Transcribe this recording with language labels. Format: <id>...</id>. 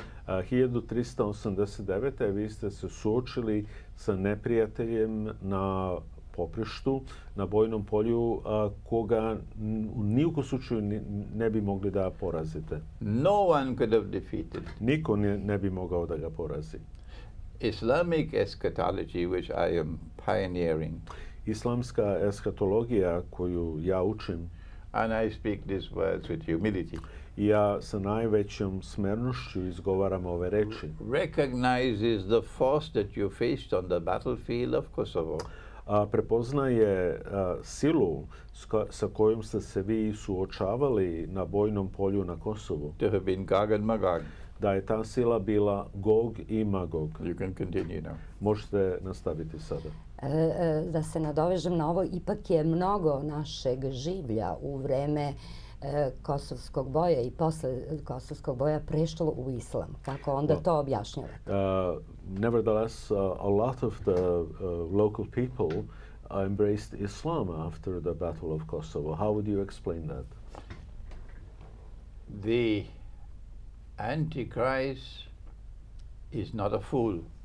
<sr>1389. Vi ste se suočili sa neprijateljem na poprištu, na bojnom polju, koga ni u kom slučaju ne bi mogli da porazite.</sr> <en>No one could have defeated.</en> <sr>Niko ne bi mogao da ga porazi.</sr> <en>Islamic eschatology, which I am pioneering.</en> <sr>Islamska eschatologija koju ja učim.</sr> <en>And I speak these words with humility.</en> <sr>Ja sa najvećom smernošću izgovaram ove reči.</sr> <en>Recognizes the force that you faced on the battlefield of Kosovo.</en> <sr>Prepoznaje silu sa kojom ste se vi suočavali na bojnom polju na Kosovu.</sr> <en>To have been Gog and Magog.</en> <sr>Da je ta sila bila Gog i Magog.</sr> <en>You can continue now.</en> <sr>Možete nastaviti sada. Da se nadovežem na ovo, ipak je mnogo našeg življa u vreme kosovskog boja i posle kosovskog boja prešlo u islam. Kako onda to objašnjavate?</sr> <en>Nevertheless, a lot of the local people embraced Islam after the Battle of Kosovo. How would you explain that? The Antichrist is not a fool.</en>